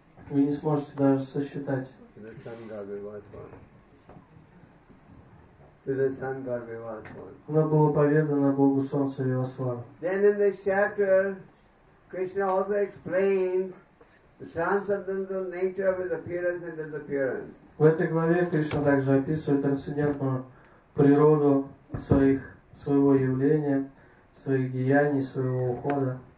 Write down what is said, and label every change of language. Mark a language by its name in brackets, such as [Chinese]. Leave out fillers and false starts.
[Russian] Вы не сможете даже сосчитать. [English] To the sun god Vivasvan. [Russian] Оно было поведано Богу Солнца Вивасвану. [English] Then in this chapter, Krishna also explains the transcendental nature of his appearance and disappearance. [Russian] В этой главе Кришна также описывает трансцендентную природу своего явления, своих деяний, своего ухода.